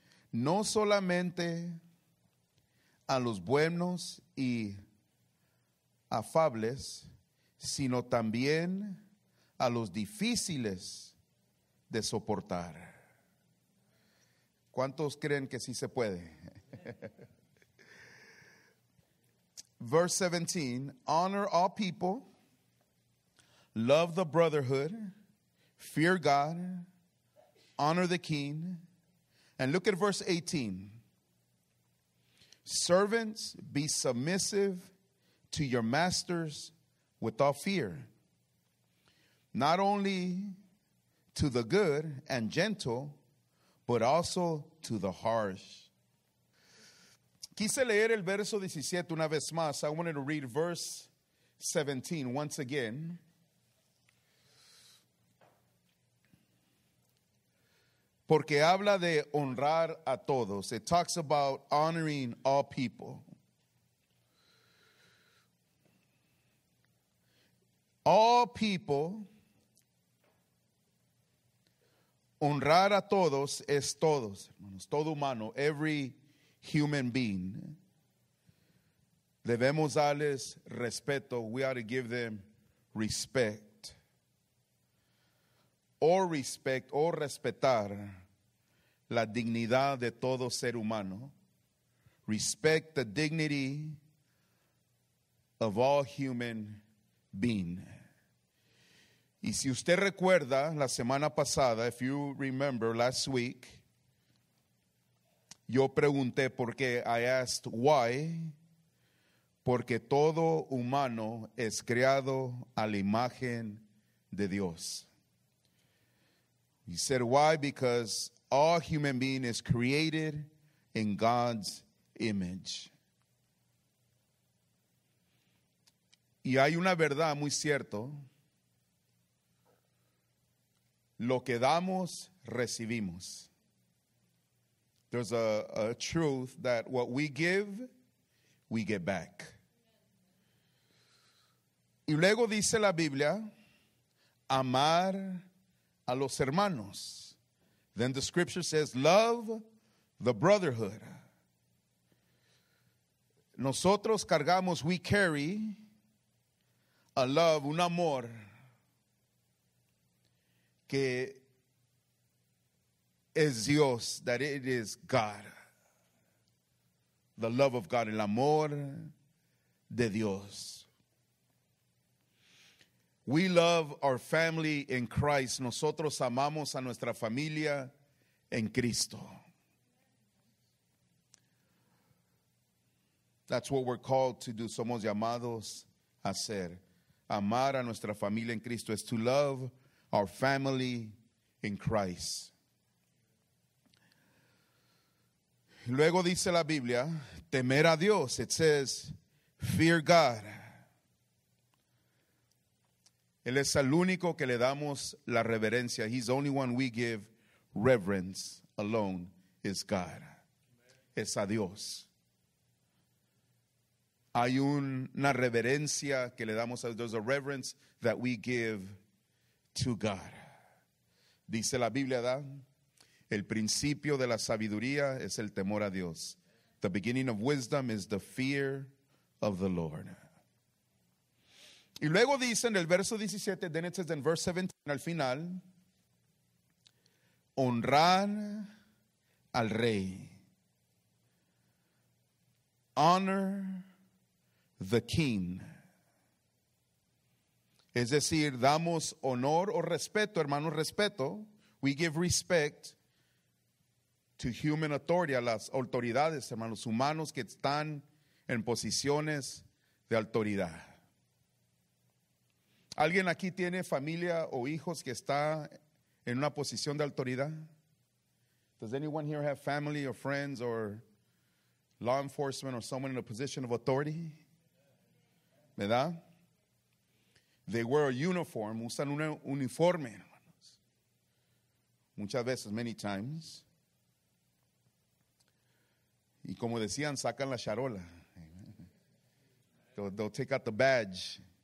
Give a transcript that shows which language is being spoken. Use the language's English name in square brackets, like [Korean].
[Spanish] No solamente a los buenos y afables, sino también a los difíciles de soportar. ¿Cuántos creen que sí se puede? [English] Verse 17, honor all people, love the brotherhood, fear God, honor the king. And look at verse 18. Servants, be submissive to your masters without fear. Not only to the good and gentle, but also to the harsh. [Spanish] Quise leer el verso 17 una vez más. [English] I wanted to read verse 17 once again. [Spanish] Porque habla de honrar a todos. [English] It talks about honoring all people. All people. [Spanish] Honrar a todos es todos, hermanos. Todo humano. [English] Every human being. [Spanish] Debemos darles respeto. [English] We ought to give them respect. Or respect. [Spanish] O respetar. La dignidad de todo ser humano. [English] Respect the dignity of all human being. [Spanish] Y si usted recuerda la semana pasada, [English] if you remember last week, [Spanish] yo pregunté por qué, [English] I asked why, [Spanish] porque todo humano es creado a la imagen de Dios. [English] He said why, because all human being is created in God's image. [Spanish] Y hay una verdad muy cierto. Lo que damos, recibimos. [English] There's a truth that what we give, we get back. [Spanish] Y luego dice la Biblia, amar a los hermanos. [English] Then the scripture says, love the brotherhood. [Spanish] Nosotros cargamos, [English] we carry a love, [Spanish] un amor, que es Dios, [English] that it is God. The love of God, [Spanish] el amor de Dios. [English] We love our family in Christ. [Spanish] Nosotros amamos a nuestra familia en Cristo. [English] That's what we're called to do. [Spanish] Somos llamados a ser. Amar a nuestra familia en Cristo [English] is to love our family in Christ. [Spanish] Luego dice la Biblia, temer a Dios. [English] It says, fear God. [Spanish] Él es el único que le damos la reverencia. [English] He's the only one we give reverence alone is God. [Spanish] Es a Dios. Hay una reverencia que le damos a Dios. [English] There's a reverence that we give to God. [Spanish] Dice la Biblia, ¿verdad? El principio de la sabiduría es el temor a Dios. [English] The beginning of wisdom is the fear of the Lord. [Spanish] Y luego dice en el verso 17, [English] then it says in verse 17, [Spanish] al final, honrar al rey. [English] Honor the king. [Spanish] Es decir, damos honor o respeto, hermanos, respeto. [English] We give respect to human authority, [Spanish] a las autoridades, hermanos, humanos que están en posiciones de autoridad. ¿Alguien aquí tiene familia o hijos que está en una posición de autoridad? [English] Does anyone here have family or friends or law enforcement or someone in a position of authority? [Spanish] ¿Verdad? [English] They wear a uniform, [Spanish] usan un uniforme, hermanos. Muchas veces, [English] many times. [Spanish] Y como decían, sacan la charola. [English] They'll take out the badge.